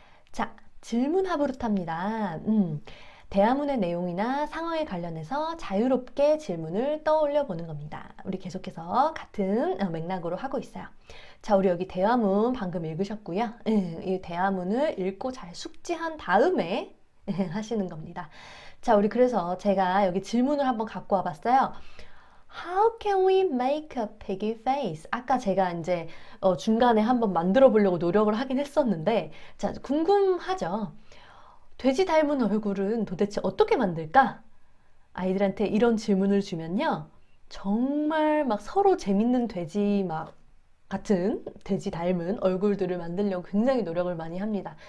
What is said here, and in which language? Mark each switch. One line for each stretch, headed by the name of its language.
Korean: 자, 질문 하부루타입니다. 대화문의 내용이나 상황에 관련해서 자유롭게 질문을 떠올려 보는 겁니다. 우리 계속해서 같은 맥락으로 하고 있어요. 자, 우리 여기 대화문 방금 읽으셨고요. 이 대화문을 읽고 잘 숙지한 다음에 하시는 겁니다. 자, 우리 그래서 제가 여기 질문을 한번 갖고 와봤어요.
English: How can we make a piggy face?
Korean: 아까 제가 이제 중간에 한번 만들어 보려고 노력을 하긴 했었는데, 자, 궁금하죠? 돼지 닮은 얼굴은 도대체 어떻게 만들까? 아이들한테 이런 질문을 주면요. 정말 막 서로 재밌는 돼지 막 같은 돼지 닮은 얼굴들을 만들려고 굉장히 노력을 많이 합니다.